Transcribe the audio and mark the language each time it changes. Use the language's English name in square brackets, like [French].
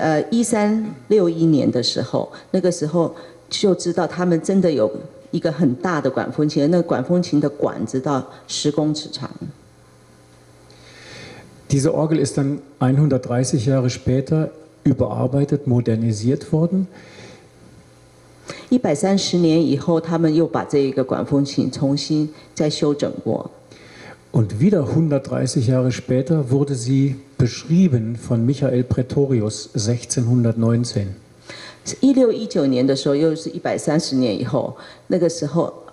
[Chinese] 1361年的时候，那个时候就知道他们真的有一个很大的管风琴，那管风琴的管子到十公尺长。 [German] Diese Orgel ist dann 130 Jahre später überarbeitet, modernisiert worden. [Chinese] 130年以后，他们又把这个管风琴重新再修整过。 [German] Und wieder 130 Jahre später wurde sie beschrieben von Michael Praetorius 1619. [Chinese] 1619年的时候，又是130年以后，那个时候